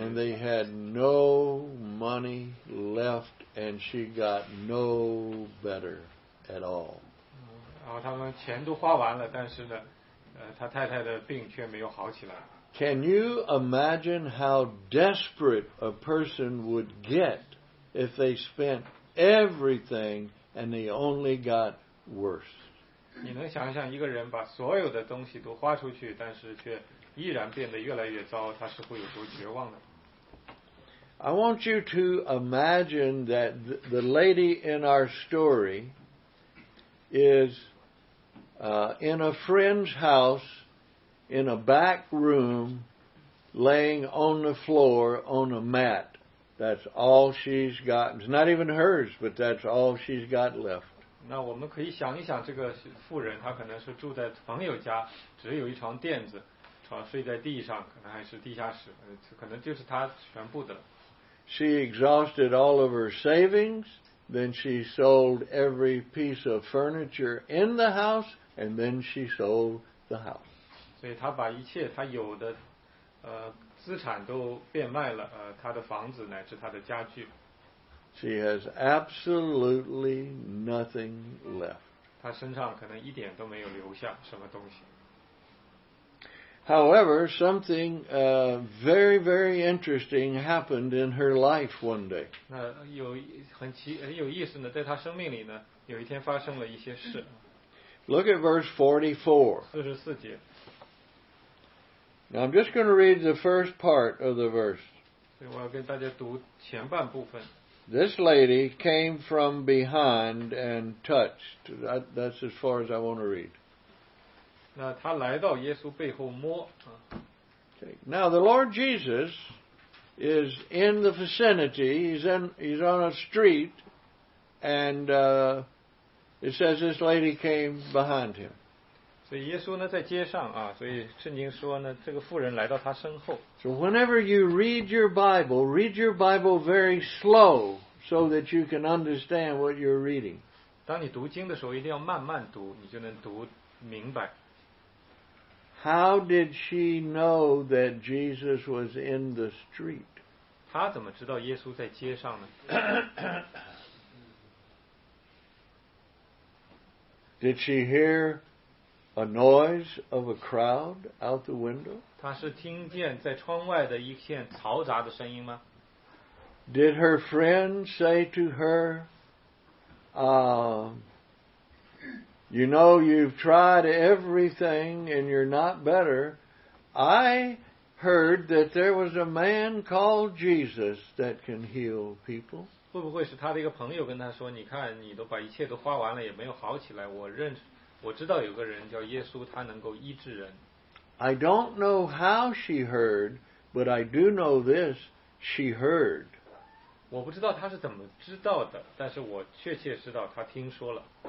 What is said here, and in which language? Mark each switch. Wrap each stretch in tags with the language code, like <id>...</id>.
<en>And they had no money left, and she got no better at all.</en> <zh>然后他们钱都花完了，但是呢，他太太的病却没有好起来。</zh> <en>Can you imagine how desperate a person would get if they spent everything and they only got worse?</en> <zh>你能想象一个人把所有的东西都花出去，但是却依然变得越来越糟，他是会有多绝望的？</zh> <en>I want you to imagine that the lady in our story is in a friend's house. In a back room, laying on the floor on a mat. That's all she's got. It's not even hers, but that's all she's got left.</en> <zh>那我们可以想一想，这个妇人她可能是住在朋友家，只有一床垫子，床睡在地上，可能还是地下室，可能就是她全部的。</zh> <en>She exhausted all of her savings, then she sold every piece of furniture in the house, and then she sold the house.</en> <zh>所以他把一切他有的资产都变卖了他的房子乃至他的家具。</zh> <en>She has absolutely nothing left.</en> <zh>他身上可能一点都没有留下什么东西。</zh> <en>However, something very, very interesting happened in her life one day.</en> <zh>那有很有意思呢，在他生命里呢，有一天发生了一些事。</zh> <en>Look at verse 44.</en> <zh>四十四节。</zh> <en>Now I'm just going to read the first part of the verse.</en> <zh>所以我要跟大家读前半部分。</zh> <en>This lady came from behind and touched. That's as far as I want to read.</en> <zh>那她来到耶稣背后摸。</zh> <en>Okay. Now the Lord Jesus is in the vicinity. He's on a street, and it says this lady came behind him.</en> <zh>所以耶稣呢在街上啊，所以圣经说呢，这个妇人来到他身后。</zh> <en>So whenever you read your Bible very slow, so that you can understand what you're reading.</en> <zh>当你读经的时候，一定要慢慢读，你就能读明白。</zh> <en>How did she know that Jesus was in the street?</en> <zh>她怎么知道耶稣在街上呢？</zh> <en>Did she hear? A noise of a crowd out the window?</en> <zh>她是听见在窗外的一片嘈杂的声音吗？</zh> <en>Did her friend say to her, You know, you've tried everything and you're not better. I heard that there was a man called Jesus that can heal people.</en> <zh>会不会是他的一个朋友跟他说，你看你都把一切都花完了也没有好起来，我认识，我知道有个人叫耶稣，他能够医治人。</zh> <en>I don't know how she heard, but I do know this, she heard.</en> <zh>我不知道他是怎么知道的，但是我确切知道他听说了。</zh>